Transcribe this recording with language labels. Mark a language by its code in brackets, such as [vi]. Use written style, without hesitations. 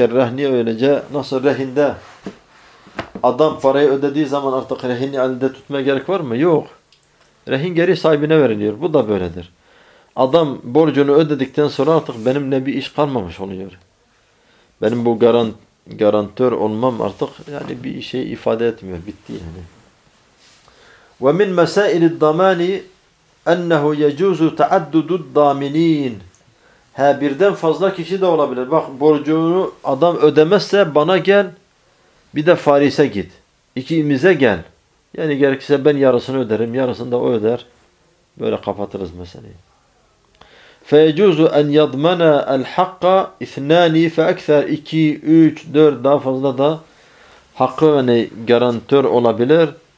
[ar] كَالرَّهْنِ [tr] öylece nasıl rehinde adam parayı ödediği zaman artık rehini elde tutmaya gerek var mı? Yok. Rehin geri sahibine veriliyor. Bu da böyledir. Adam borcunu ödedikten sonra artık benimle bir iş kalmamış oluyor. Benim bu garantör olmam artık yani bir şey ifade etmiyor. Bitti yani. [ar] وَمِنْ مَسَائِلِ الضَّمَانِ اَنَّهُ يَجُوزُ تَعَدُّدُ الضَّامِنِينَ. [tr] Ha, birden fazla kişi de olabilir. Bak borcunu adam ödemezse bana gel, bir de Faris'e git. İkimize gel. Yani gerekirse ben yarısını öderim, yarısını da o öder. Böyle kapatırız meseleyi. [ar] فَيَجُوزُ اَنْ يَضْمَنَا الْحَقَّ اِثْنَانِ فَاَكْثَرْ [tr] 2, 3, 4 daha fazla da hakkı yani garantör olabilir.